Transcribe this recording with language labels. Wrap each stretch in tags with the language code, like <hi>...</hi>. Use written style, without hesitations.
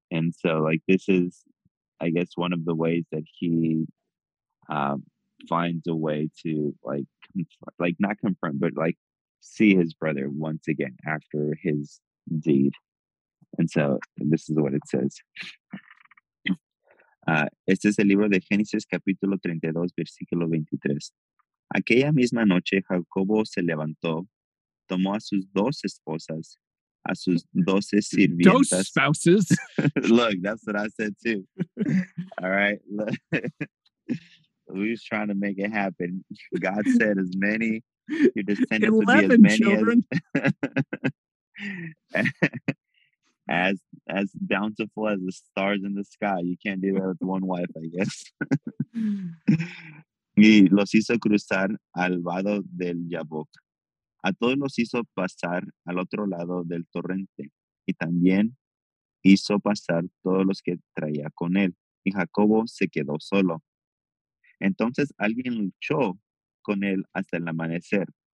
<en>And so like this is, I guess, one of the ways that he finds a way to like see his brother once again after his deed. And so this is what it says.</en> <es>Este es el libro de Génesis, capítulo 32, versículo 23. Aquella misma noche, Jacobo se levantó, tomó a sus dos esposas, a sus doce sirvientas.</es> <en>Dos spouses. Look, that's what I said too. All right. We're trying to make it happen. God said as many, your descendants would be as many children. As bountiful as the stars in the sky. You can't do that with one wife, I guess.</en> <es>Y los hizo cruzar al vado del Yabok. A todos los hizo pasar al otro lado del torrente. Y también hizo pasar todos los que traía con él. Y Jacobo se quedó solo. Entonces alguien luchó con él hasta el amanecer.</es>